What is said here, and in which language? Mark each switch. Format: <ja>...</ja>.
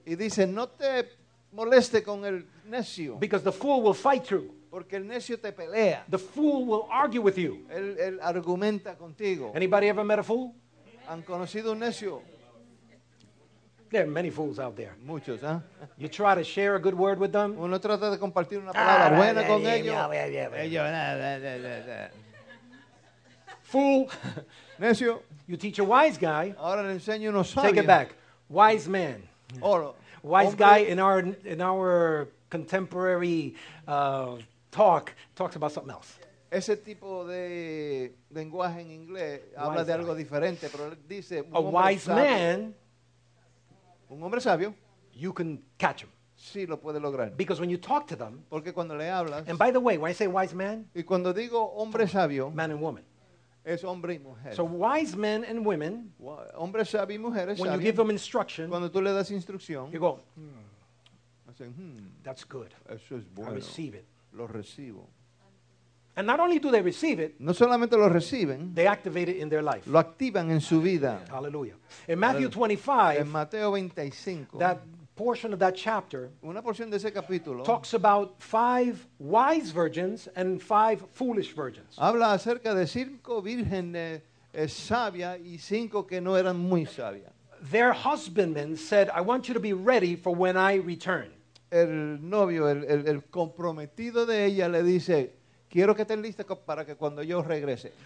<es>Y dice, no te moleste con el necio.</es> <en>Because the fool will fight you.</en> <es>Porque el necio te pelea.</es> <en>The fool will argue with you.</en> <es>Él argumenta contigo.</es> <en>Anybody ever met a fool?</en> <es>¿Han conocido un necio?</es> <en>There are many fools out there.</en> <es>Muchos, ¿eh?</es> <en>You try to share a good word with them.</en> <es>Uno trata de compartir una palabra buena con ellos.</es> <en>Fool.</en> <es>Necio.</es> <en>You teach a wise guy.</en> <es>Ahora le enseño uno sabio.</es> <en>Take it back. Wise man.</en> <es>Oro.</es> <en>Wise guy in our contemporary talk talks about something else.</en> <es>Ese tipo de lenguaje en inglés habla de algo diferente, pero dice</es> <en>a wise man,</en> <es>un hombre sabio,</es> <en>you can catch him.</en> <es>Sí, lo puede lograr.</es> <en>Because when you talk to them,</en> <es>porque cuando le hablas,</es> <en>and by the way, when I say wise man,</en> <es>y cuando digo hombre sabio,</es> <en>man and woman.</en> <es>Es hombre y mujer.</es> <en>So wise men and women,</en> <es>hombres sabios y mujeres sabios,</es> <en>when you give them instruction,</en> <es>cuando tú le das instrucción,</es> <en>you go, I say, that's good.</en> <es>Eso es bueno.</es> <en>I receive it.</en> <es>Lo recibo.</es> <en>And not only do they receive it,</en> <es>no solamente lo reciben,</es> <en>they activate it in their life.</en> <es>Lo activan en su vida.</es> <en>Hallelujah. In Matthew 25,</en> <es>en Mateo 25,</es> <en>that portion of that chapter,</en> <es>una porción de ese capítulo,</es> <en>talks about five wise virgins and five foolish virgins.</en> <es>Habla acerca de cinco vírgenes sabias y cinco que no eran muy sabias.</es> <en>Their husbandmen said, I want you to be ready for when I return.</en> <es>el novio, el comprometido de ella le dice, quiero que estén listas para que cuando yo regrese.</es>